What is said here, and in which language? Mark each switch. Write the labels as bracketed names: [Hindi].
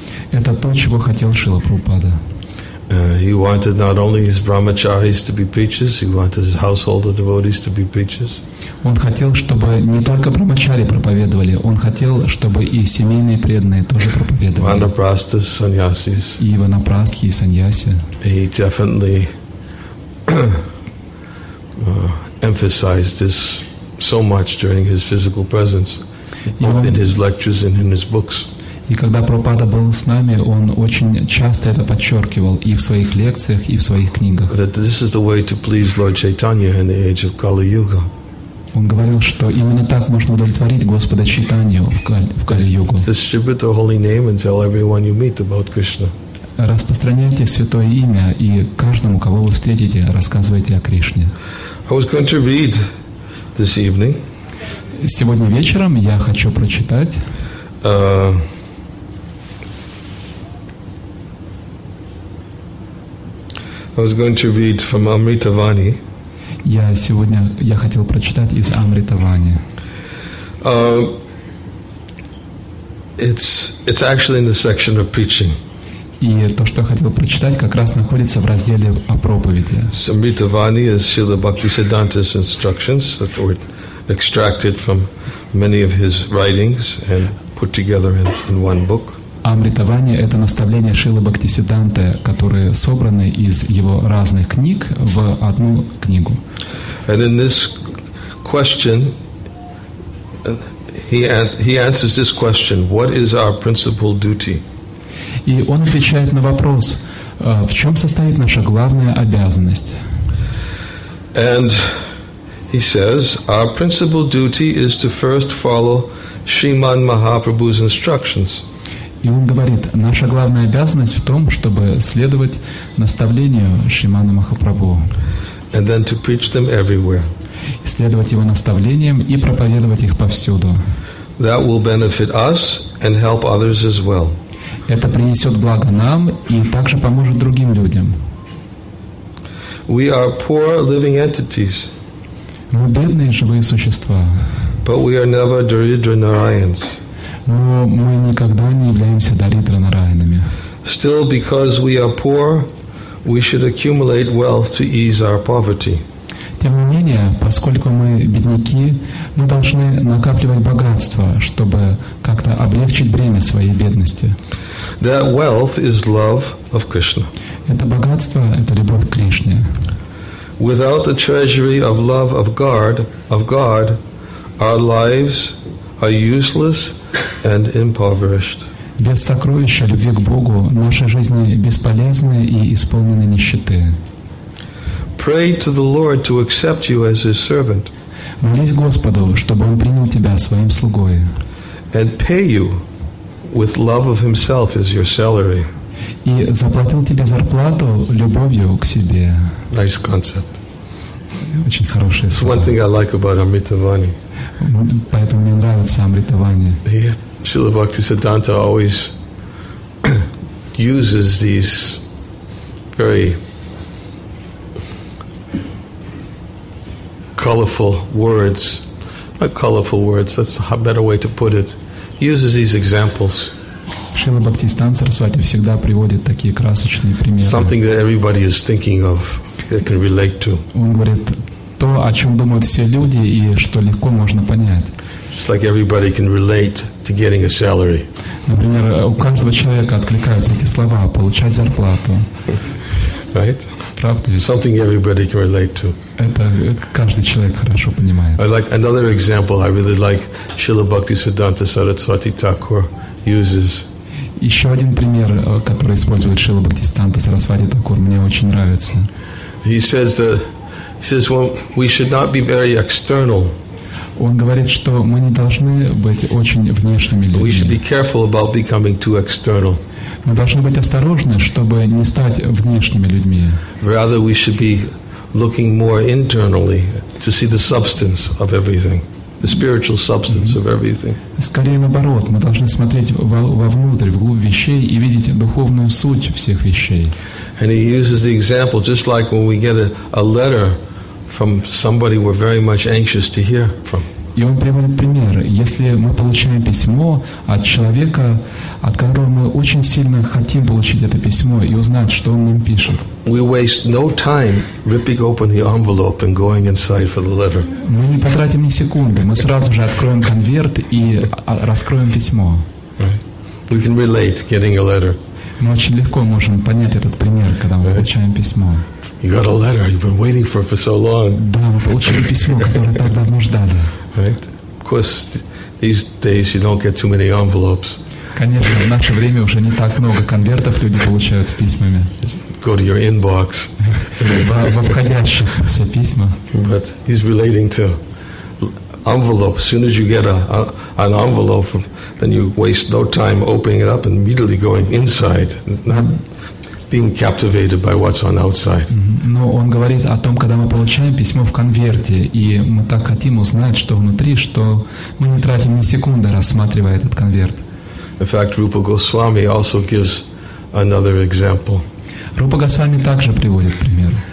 [Russian] Это то, чего хотел Шрила Прабхупада. [English] He wanted not only his brahmacharis to be preachers, he wanted his household of devotees to be preachers. [Russian] Он хотел, чтобы не только брахмачари проповедовали, он хотел, чтобы и семейные преданные тоже проповедовали. Ванапрастхи, саньяси. И ванапрастхи, и саньяси. [English] He definitely emphasized this so much during his physical presence. Both in his lectures and in his books. [Russian] И когда Прабхупада был с нами, он очень часто это подчеркивал и в своих лекциях, и в своих книгах. [English] That this is the way to please Lord Chaitanya in the age of Kali Yuga. [Russian] Он говорил, что именно так можно удовлетворить Господа Чайтанью в Кали-Югу. [English] Distribute the holy name and tell everyone you meet about Krishna. [Russian] Распространяйте святое имя и каждому, кого вы встретите, рассказывайте о Кришне. [English] I was going to read this evening. [Russian] Сегодня вечером я хочу прочитать [English] I was going to read from Amrita Vani. [Russian] Я сегодня я хотел прочитать из Амрита Вани. [English] It's actually in the section of preaching. [Russian] И то, что я хотел прочитать, как раз находится в разделе о проповеди. [English] Amrita Vani is Srila Bhaktisiddhanta's instructions that were extracted from many of his writings and put together in one book. [Russian] Амрита Вани — это наставления Шрилы Бхактисиддханты, которые собраны из его разных книг в одну книгу. [English] And in this question, he answers this question: what is our principal duty? [Russian] И он отвечает на вопрос, в чем состоит наша главная обязанность. [English] And he says, our principal duty is to first follow Shriman Mahaprabhu's instructions. [Russian] И он говорит, наша главная обязанность в том, чтобы следовать наставлению Шримана Махапрабху. [English] And then to preach them everywhere. [Russian] Следовать его наставлениям и проповедовать их повсюду. [English] That will benefit us and help others as well. [Russian] Это принесет благо нам и также поможет другим людям. [English] We are poor living entities. [Russian] Мы бедные живые существа. [English] But we are never Daridra Narayans. [Russian] Но мы никогда не являемся Даридра Нараянами. [English] Still, because we are poor, we should accumulate wealth to ease our poverty. [Russian] Тем не менее, поскольку мы бедняки, мы должны накапливать богатство, чтобы как-то облегчить бремя своей бедности. [English] That wealth is love of Krishna. [Russian] Это богатство — это любовь к Кришне. [English] Without the treasury of love of God, our lives are useless and impoverished. [Russian] Без сокровища любви к Богу наши жизни бесполезны и исполнены нищеты. [English] Pray to the Lord to accept you as His servant. [Russian] Молись Господу, чтобы Он принял тебя своим слугой. [English] And pay you with love of Himself as your salary. [Russian] И заплатил тебе зарплату любовью к себе. [English] Nice concept. [Russian] Очень хорошее слово. [English] It's one thing I like about Amritavani. [Russian] Поэтому мне нравится Амритавани. [English] Śrīla Bhaktisiddhānta always uses these very colorful words. Not colorful words, that's a better way to put it. Uses these examples. [Russian] Śrīla Bhaktisiddhānta Sarasvati всегда приводит такие красочные примеры. [English] Something that everybody is thinking of, that can relate to. [Russian] Он говорит то, о чем думают все люди и что легко можно понять. [English] It's like everybody can relate to getting a salary. [Russian] Например, у каждого человека откликаются эти слова, получать зарплату. [English] Right? [Russian] Правда ведь? [English] Something everybody can relate to. [Russian] Это каждый человек хорошо понимает. [English] I like another example. I really like Śrīla Bhaktisiddhānta Sarasvati Thakur uses. [Russian] Еще один пример, который использует Śrīla Bhaktisiddhānta Sarasvati Thakur, мне очень нравится. [English] He says, well, we should not be very external. [Russian] Он говорит, что мы не должны быть очень внешними людьми. [English] We should be careful about becoming too external. [Russian] Мы должны быть осторожны, чтобы не стать внешними людьми. [English] Rather, we should be looking more internally to see the substance of everything, the spiritual substance of everything. [Russian] Скорее наоборот, мы должны смотреть вовнутрь, вглубь вещей и видеть духовную суть всех вещей. [English] And he uses the example, just like when we get a letter from somebody we're very much anxious to hear from. [Russian] И он приводит пример. Если мы получаем письмо от человека, от которого мы очень сильно хотим получить это письмо и узнать, что он нам пишет. [English] We waste no time ripping open the envelope and going inside for the letter. [Russian] Мы не потратим ни секунды. Мы сразу же откроем конверт и раскроем письмо. [English] We can relate getting a letter. [Russian] Мы очень легко можем понять этот пример, когда мы получаем письмо. [English] You got a letter you've been waiting for so long. [Russian] Да, мы получили письмо, которое так давно ждали. [English] Right? Of course, these days you don't get too many envelopes. [Russian] Конечно, в наше время уже не так много конвертов люди получают с письмами. [English] Go to your inbox. [Russian] Во входящих все письма. [English] But he's relating to envelope. As soon as you get an envelope, then you waste no time opening it up and immediately going inside. Not being captivated by what's on outside. [Russian] Но он говорит о том, когда мы получаем письмо в конверте, и мы так хотим узнать, что внутри, что мы не тратим ни секунды, рассматривая этот конверт. [English] In fact, Rupa Goswami also gives another example. [Russian] Рупа Госвами также приводит пример.